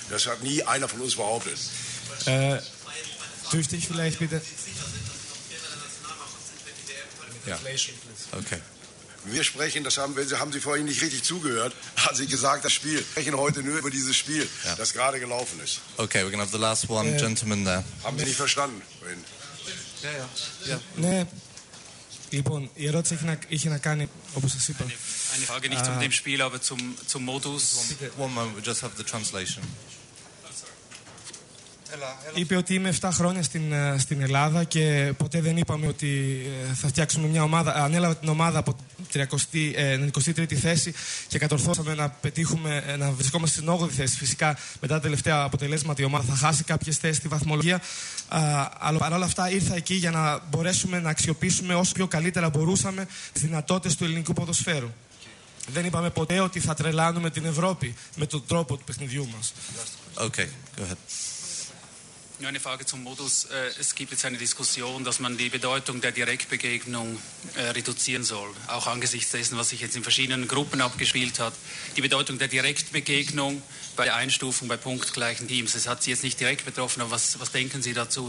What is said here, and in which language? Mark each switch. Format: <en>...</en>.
<de>Das hat nie einer von uns behauptet. Durch dich vielleicht bitte. Ja. Okay. Wir sprechen, das haben Sie vorhin nicht richtig zugehört, als Sie gesagt das Spiel. Wir sprechen heute nur über dieses Spiel, ja, das gerade gelaufen ist.</de> <en>Okay, we're gonna have the last one, gentleman there.</en> <de>Haben Sie nicht verstanden? Ja.</de> <el>Λοιπόν, η ερώτηση είχε να κάνει, όπως σας είπα.</el> <de>Eine Frage nicht zum dem Spiel, aber zum Modus.</de> <en>One moment, we just have the translation.</en> <el>Είπε ότι είμαι 7 χρόνια στην Ελλάδα και ποτέ δεν είπαμε ότι θα φτιάξουμε μια ομάδα. Ανέλαβα την ομάδα από την 23η θέση και κατορθώσαμε να βρισκόμαστε στην 8η θέση. Φυσικά μετά τα τελευταία αποτελέσματα η ομάδα θα χάσει κάποιες θέσεις στη βαθμολογία. Αλλά παρόλα αυτά ήρθα εκεί για να μπορέσουμε να αξιοποιήσουμε όσο πιο καλύτερα μπορούσαμε τις δυνατότητες του ελληνικού ποδοσφαίρου. Δεν είπαμε ποτέ ότι θα τρελάνουμε την Ευρώπη με τον τρόπο του παιχνιδιού μας.</el> <en>Okay, go ahead.</en> <de>Nur eine Frage zum Modus. Es gibt jetzt eine Diskussion, dass man die Bedeutung der Direktbegegnung reduzieren soll. Auch angesichts dessen, was sich jetzt in verschiedenen Gruppen abgespielt hat. Die Bedeutung der Direktbegegnung bei der Einstufung bei punktgleichen Teams. Es hat Sie jetzt nicht direkt betroffen, aber was denken Sie dazu?</de>